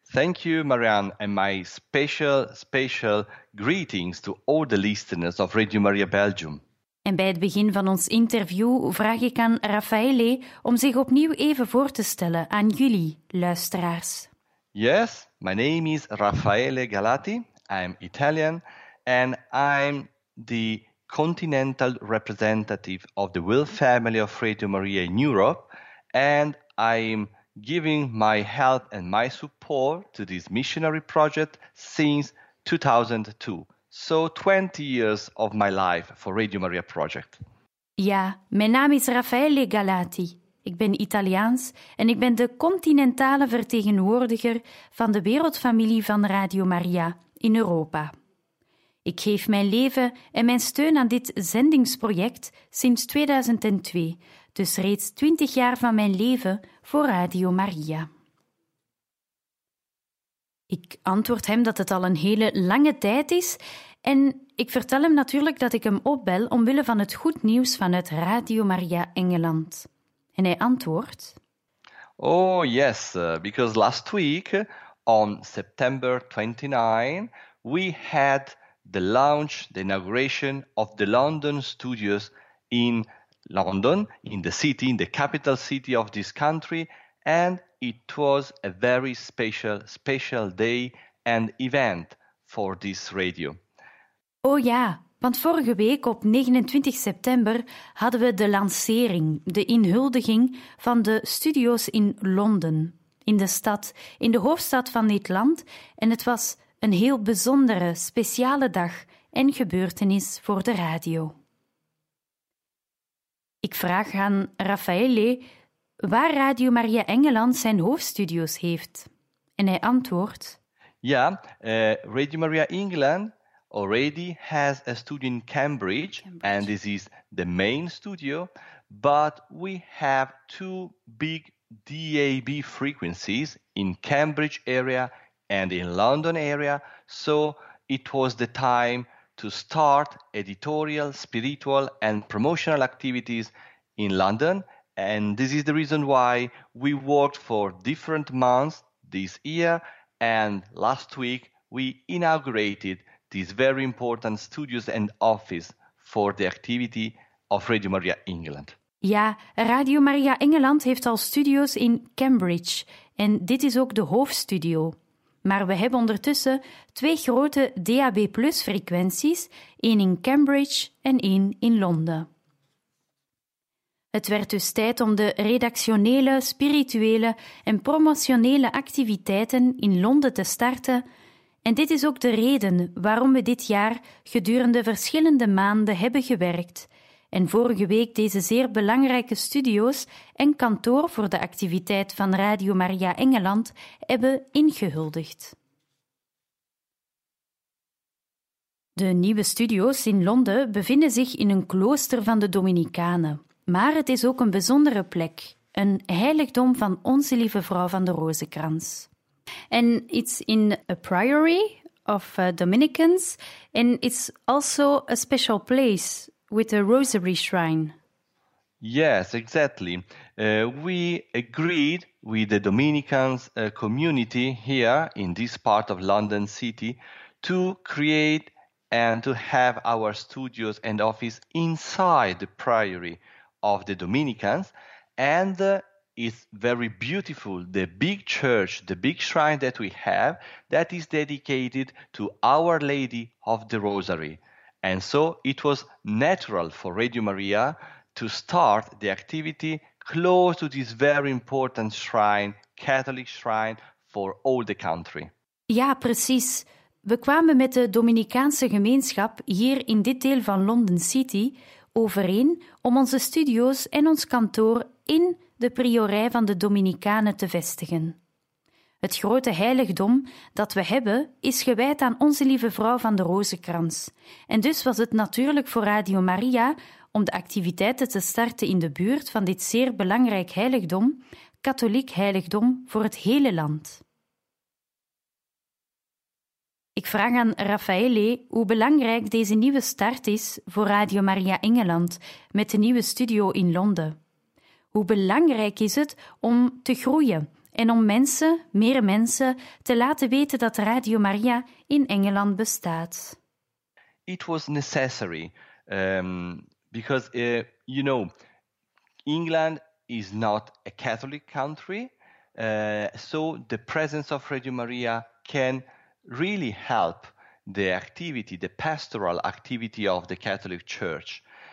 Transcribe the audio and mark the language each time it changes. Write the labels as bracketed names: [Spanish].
[English] Thank you, Marianne, and my special greetings to all the listeners of Radio Maria Belgium. [Dutch] En bij het begin van ons interview vraag ik aan Raffaele om zich opnieuw even voor te stellen aan jullie, luisteraars. [English] Yes, my name is Raffaele Galati. I'm Italian and I'm the continental representative of the world family of Radio Maria in Europe, and I'm giving my help and my support to this missionary project since 2002. So 20 years of my life for Radio Maria Project. [Dutch] Ja, mijn naam is Raffaele Galati. Ik ben Italiaans en ik ben de continentale vertegenwoordiger van de wereldfamilie van Radio Maria in Europa. Ik geef mijn leven en mijn steun aan dit zendingsproject sinds 2002, dus reeds 20 jaar van mijn leven voor Radio Maria. Ik antwoord hem dat het al een hele lange tijd is en ik vertel hem natuurlijk dat ik hem opbel omwille van het goed nieuws vanuit Radio Maria Engeland. En hij antwoordt... [English] Oh yes, because last week, on September 29, we had the launch, the inauguration of the London studios in London, in the city, in the capital city of this country, and it was a very special day and event for this radio. [Dutch] Oh ja, want vorige week op 29 september hadden we de lancering, de inhuldiging van de studio's in Londen, in de stad, in de hoofdstad van dit land, en het was een heel bijzondere, speciale dag en gebeurtenis voor de radio. Ik vraag aan Raffaele waar Radio Maria Engeland zijn hoofdstudio's heeft. En hij antwoordt... [English] Ja, Radio Maria England already has a studio in Cambridge, and this is the main studio, but we have two big DAB frequencies in Cambridge area and in London area, so it was the time to start editorial, spiritual and promotional activities in London, and this is the reason why we worked for different months this year, and last week we inaugurated this very important studios and office for the activity of Radio Maria England. [Dutch] Ja, Radio Maria Engeland heeft al studios in Cambridge en dit is ook de hoofdstudio. Maar we hebben ondertussen twee grote DAB Plus frequenties, één in Cambridge en één in Londen. Het werd dus tijd om de redactionele, spirituele en promotionele activiteiten in Londen te starten. En dit is ook de reden waarom we dit jaar gedurende verschillende maanden hebben gewerkt en vorige week deze zeer belangrijke studio's en kantoor voor de activiteit van Radio Maria Engeland hebben ingehuldigd. De nieuwe studio's in Londen bevinden zich in een klooster van de Dominicanen. Maar het is ook een bijzondere plek, een heiligdom van Onze Lieve Vrouw van de Rozenkrans. [English] And it's in a priory of Dominicans, and it's also a special place with a rosary shrine. Yes, exactly. We agreed with the Dominicans community here in this part of London City to create and to have our studios and office inside the priory of the Dominicans, and it's very beautiful, the big church, the big shrine that we have, that is dedicated to Our Lady of the Rosary. And so it was natural for Radio Maria to start the activity close to this very important shrine, Catholic shrine, for all the country. [Dutch] Ja, precies. We kwamen met de Dominicaanse gemeenschap hier in dit deel van London City overeen om onze studio's en ons kantoor in de priorij van de Dominicanen te vestigen. Het grote heiligdom dat we hebben is gewijd aan Onze Lieve Vrouw van de Rozenkrans. En dus was het natuurlijk voor Radio Maria om de activiteiten te starten in de buurt van dit zeer belangrijk heiligdom, katholiek heiligdom voor het hele land. Ik vraag aan Raffaele hoe belangrijk deze nieuwe start is voor Radio Maria Engeland met de nieuwe studio in Londen. Hoe belangrijk is het om te groeien en om mensen, meer mensen, te laten weten dat Radio Maria in Engeland bestaat? [English] It was necessary, because, you know, England is not a Catholic country, so the presence of Radio Maria can really help the activity, the pastoral activity of the Catholic Church.